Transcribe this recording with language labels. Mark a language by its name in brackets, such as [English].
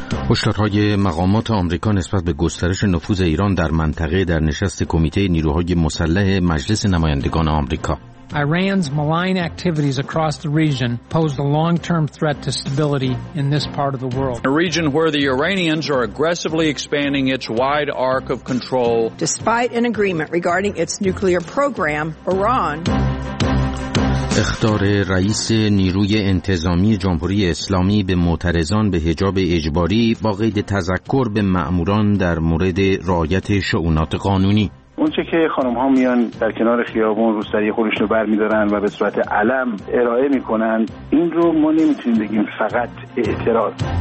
[Persian] هشدارهای مقامات آمریکا نسبت به گسترش نفوذ ایران در منطقه در نشست کمیته نیروهای مسلح مجلس نمایندگان آمریکا. [English] Iran's malign activities across the region pose a long-term threat to stability in this part of the world. A region where the Iranians are aggressively expanding its wide arc of control. Despite an agreement regarding its nuclear program, Iran. [Persian] اخطار رئیس نیروی انتظامی جمهوری اسلامی به معترضان به حجاب اجباری با قید تذکر به مأموران در مورد رعایت شئونات قانونی. اون چه که خانم ها میان در کنار خیابون روسری خودشونو برمی‌دارن و به صورت علم ارائه می‌کنن، این رو ما نمی‌تونیم بگیم فقط اعتراض.